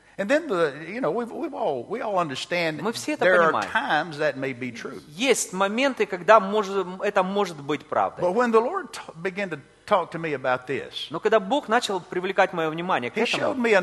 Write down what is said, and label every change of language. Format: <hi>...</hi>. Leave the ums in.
<en>And then the, you know, we've, we've all, we all understand there are times that may be true.</en> <ru>Есть моменты, когда может, это может быть правдой.</ru> <en>But when the Lord began to talk to me about this.</en> <ru>Но когда Бог начал привлекать мое внимание к he этому,</ru>